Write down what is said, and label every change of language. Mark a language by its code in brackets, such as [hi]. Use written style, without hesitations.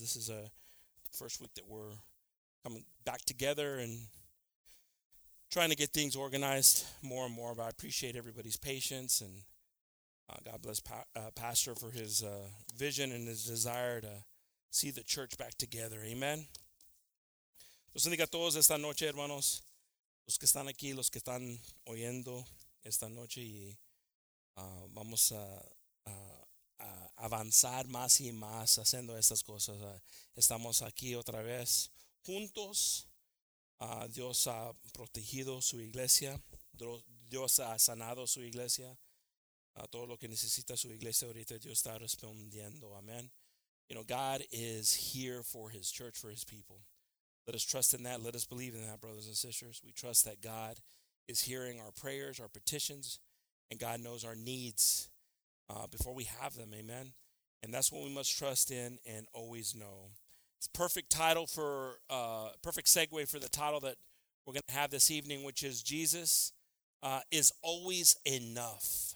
[en] This is a first week that we're coming back together and trying to get things organized more and more. But I appreciate everybody's patience, and God bless Pastor for his vision and his desire to see the church back together. [es] Amen. Los bendiga a todos esta noche, hermanos. Los que están aquí, los que están oyendo esta noche, y vamos a avanzar más y más haciendo estas cosas. Estamos aquí otra vez juntos. Dios ha protegido su iglesia. Dios ha sanado su iglesia. Todo lo que necesita su iglesia ahorita, Dios está respondiendo. Amen. [en] You know, God is here for his church, for his people. Let us trust in that. Let us believe in that, brothers and sisters. We trust that God is hearing our prayers, our petitions, and God knows our needs before we have them. Amen. And that's what we must trust in and always know. It's perfect title for perfect segue for the title that we're going to have this evening, which is Jesus is always enough.